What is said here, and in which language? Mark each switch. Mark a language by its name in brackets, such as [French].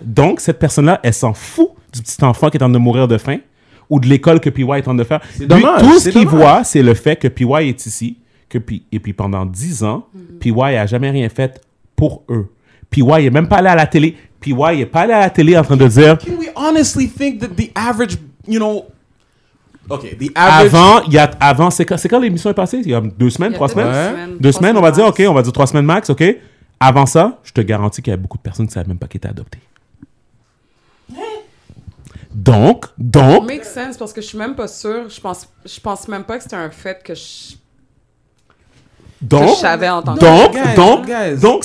[French] Donc cette personne-là, elle s'en fout du petit enfant qui est en train de mourir de faim ou de l'école que P.Y. est en train de faire. Tout ce qu'il voit, c'est le fait que P.Y. est ici et puis pendant 10 ans, P.Y. n'a jamais rien fait pour eux. P.Y. n'est même pas allé à la télé. P.Y. n'est pas allé à la télé en train de dire... [English] Can we honestly think that the average, you know... OK, the [French] average... Avant, c'est quand l'émission est passée? Il y a deux semaines, trois semaines max, OK? Avant ça, je te garantis qu'il y a beaucoup de personnes qui ne savaient même pas qu'ils étaient adoptés. Donc... Ça make sense, parce que je suis même pas sûre. Je pense même pas que c'était un fait que je savais en tant que...